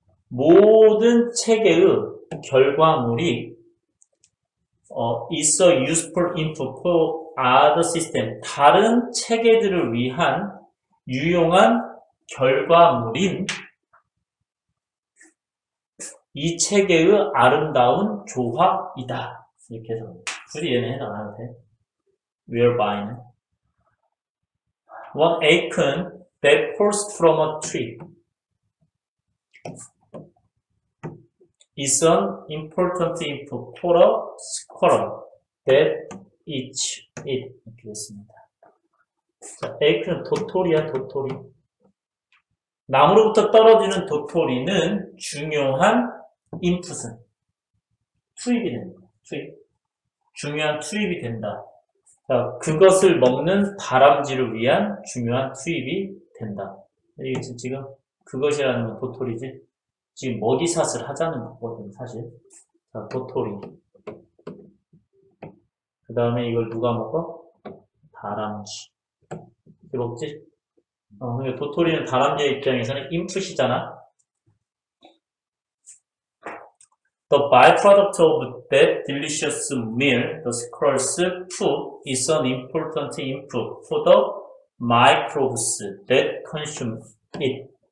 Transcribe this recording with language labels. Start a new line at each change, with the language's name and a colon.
Korean: 모든 체계의 결과물이,
English: is a useful input for other system.
Korean: 다른 체계들을 위한 유용한 결과물인 이 체계의 아름다운 조화이다. 이렇게 해서. 둘이 얘네 해당하는데.
English: Whereby는 one acorn that falls from a tree is an important input for a squirrel that eats it.
Korean: 이렇게 됐습니다. 자, acorn 도토리야, 도토리. 나무로부터 떨어지는 도토리는 중요한 인풋은 투입이 됩니다. 투입. 중요한 투입이 된다. 그것을 먹는 다람쥐를 위한 중요한 투입이 된다. 이게 지금 그것이라는 건 도토리지. 지금 먹이사슬 하자는 거거든, 사실. 자, 도토리. 그 다음에 이걸 누가 먹어? 다람쥐. 이렇게 먹지? 도토리는 다람쥐의 입장에서는 인풋이잖아.
English: The byproduct of that delicious meal, the squirrel's food, is an important input for the microbes that consume it.